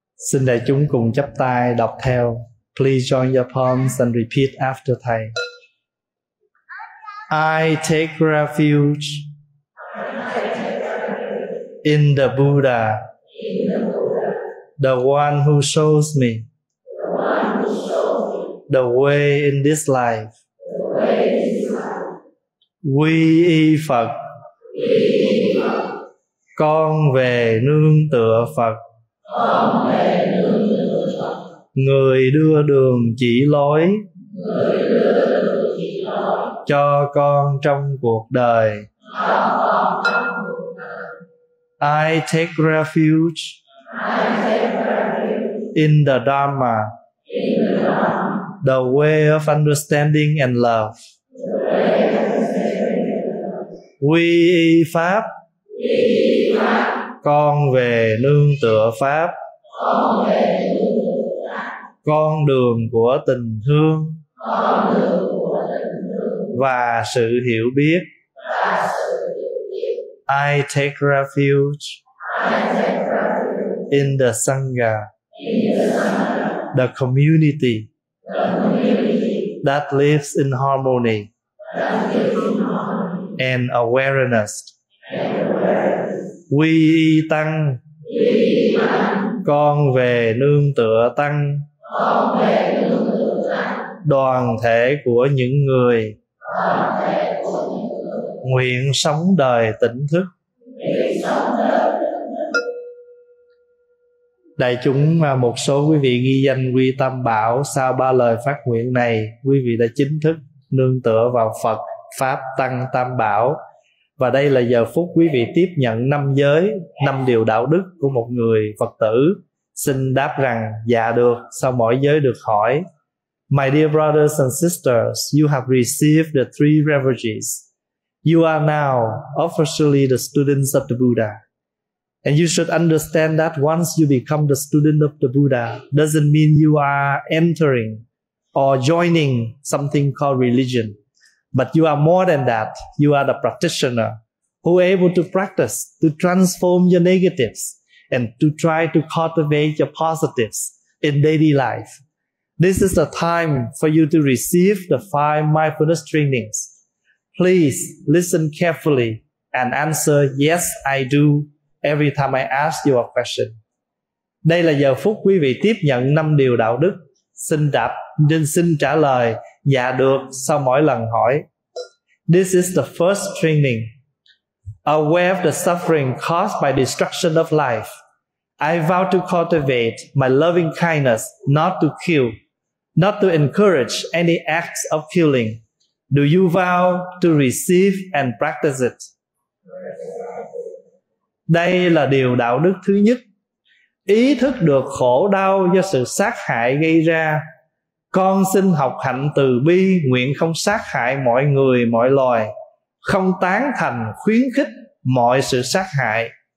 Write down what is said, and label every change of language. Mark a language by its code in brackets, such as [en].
[vi] Xin đại chúng cùng chắp tay đọc theo. [en] Please join your palms and repeat after thầy. I take refuge in the Buddha, the one who shows me the way in this life. [vi] Quy y Phật, con về nương tựa Phật. Người đưa đường chỉ lối cho con trong cuộc đời. [en] I take refuge in the Dharma, the way of understanding and love. [vi] Quy y Pháp, con về nương tựa Pháp. Con đường của tình thương và sự hiểu biết. [en] I take refuge in the Sangha, the community that lives in harmony and awareness. [vi] Quy y Tăng, con về nương tựa Tăng. Đoàn thể của những người nguyện sống đời tỉnh thức. Đại chúng, một số quý vị ghi danh quy tam bảo, sau ba lời phát nguyện này quý vị đã chính thức nương tựa vào Phật, Pháp, Tăng, Tam Bảo. Và đây là giờ phút quý vị tiếp nhận năm giới, năm điều đạo đức của một người Phật tử. Xin đáp rằng dạ được, sau mỗi giới được hỏi. [en] My dear brothers and sisters, you have received the three refuges. You are now officially the students of the Buddha. And you should understand that once you become the student of the Buddha, doesn't mean you are entering or joining something called religion. But you are more than that. You are the practitioner who is able to practice to transform your negatives and to try to cultivate your positives in daily life. This is the time for you to receive the five mindfulness trainings. Please listen carefully and answer yes, I do every time I ask you a question. [vi] Đây là giờ phút quý vị tiếp nhận năm điều đạo đức. Xin đáp, nên xin trả lời dạ được sau mỗi lần hỏi. [en] This is the first training. aware of the suffering caused by destruction of life. I vow to cultivate my loving kindness, not to kill, not to encourage any acts of killing. Do you vow to receive and practice it? [vi] Đây là điều đạo đức thứ nhất. Ý thức được khổ đau do sự sát hại gây ra. Con xin học hạnh từ bi, nguyện không sát hại mọi người, mọi loài, không tán thành, khuyến khích mọi sự sát hại.